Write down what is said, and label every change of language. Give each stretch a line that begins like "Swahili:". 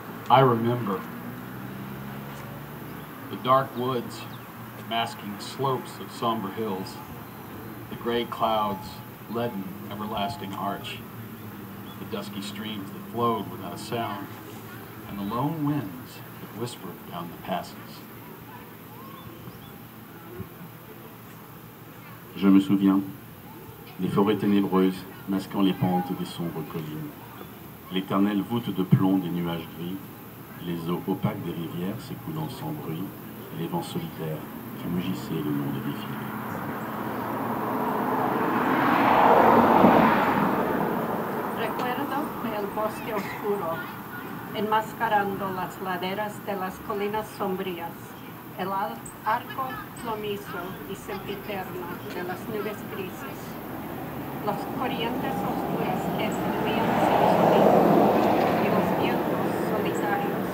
English: I remember the dark woods masking slopes of somber hills, the gray clouds' leaden everlasting arch, the dusky streams that flowed without a sound, and the lone winds that whispered down the passes.
French: Je me souviens des forêts ténébreuses masquant les pentes des sombres collines, l'éternelle voûte de plomb des nuages gris. Les eaux opaques des rivières s'écoulant sans bruit, et les vents solitaires qui mugissaient le long des défilés.
Spanish: Recuerdo el bosque oscuro, enmascarando las laderas de las colinas sombrías, el arco plomizo y sempiterno de las nubes grises, las corrientes oscuras que escribían sin sonido, y los vientos solitarios.